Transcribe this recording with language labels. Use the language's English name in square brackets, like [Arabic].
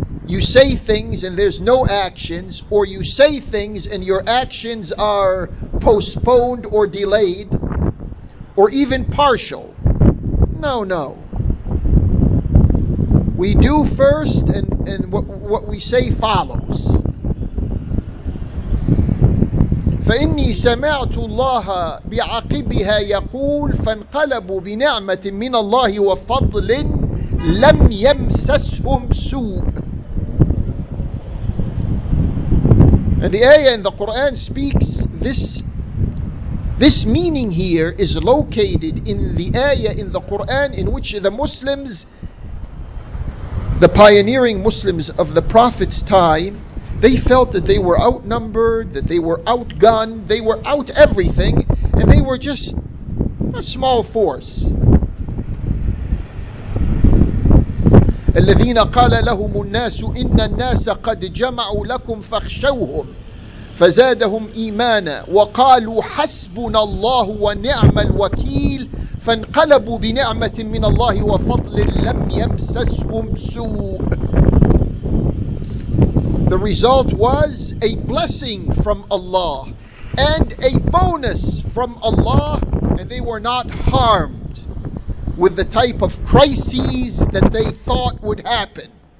[English] you say things and there's no actions, or you say things and your actions are postponed or delayed, or even partial. No. We do first, and what we say follows. [Arabic] فإني سمعت الله بعقبها يقول فانقلبوا بنعمة من الله وفضل لم يمسسهم سوء. [English] And the ayah in the Quran speaks this meaning here is located in the ayah in the Quran in which the Muslims, the pioneering Muslims of the Prophet's time, they felt that they were outnumbered, that they were outgunned, they were out everything, and they were just a small force. [Arabic] الذين قال لهم الناس إن الناس قد جمعوا لكم فاخشوهم فزادهم إيمانا وقالوا حسبنا الله ونعم الوكيل فانقلبوا بنعمة من الله وفضل لم يمسسهم سوء. [English] The result was a blessing from Allah and a bonus from Allah, and they were not harmed with the type of crises that they thought would happen.